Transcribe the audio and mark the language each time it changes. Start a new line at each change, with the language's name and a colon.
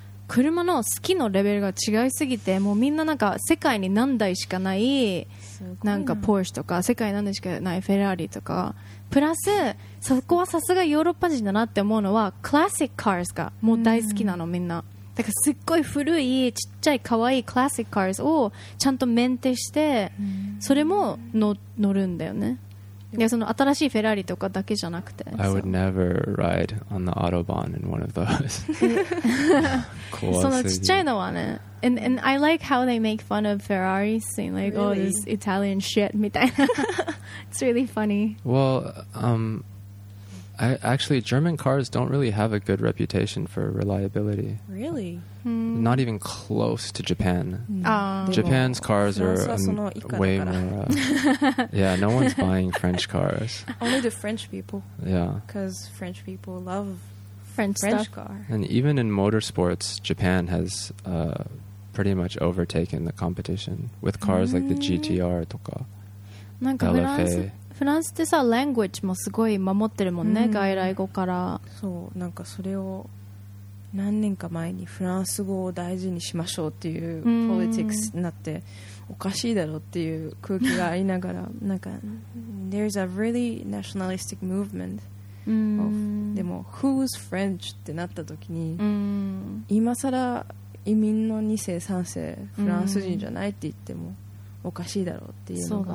Japanese: 車の好きのレベルが違いすぎて、もうみんななんか世界に何台しかない、なんかポルシェとか世界に何台しかないフェラーリとか、プラスそこはさすがヨーロッパ人だなって思うのはクラシックカーズがもう大好きなの、みんな。だからすっごい古いちっちゃい可愛いクラシックカーズをちゃんとメンテして、それも乗るんだよね。いや、その新しいフェラーリとかだけじゃなくて、
English: I would never ride on the autobahn in one of those.
Japanese: そのちっちゃいのはね、
English: and I like how they make fun of Ferraris, saying like, really? Oh, this Italian shit
Japanese: みたいな。
English: It's really funny. Well, actually German cars don't really have a good reputation for reliability. Really? Not even close to Japan. Japan's cars are way more. Yeah, no one's buying French cars. Only the French people. Yeah. Because French people love French cars. And even in motorsports, Japan has pretty much overtaken the competition with cars like the GTR とか、
Japanese: なんか LFA。フランスってさ、ラングウィッジもすごい守ってるもんね、外来語から。そう、なんかそれを何年か前にフランス語を大事にしましょうっていうポリティクスになって、おかしいだろっていう空気がありながら、なんか
English: There's a really nationalistic movement of、
Japanese: でも
English: Who's French
Japanese: ってなった時に、今さら移民の2世3世フランス人じゃないって言ってもおかしいだろうっていうのが、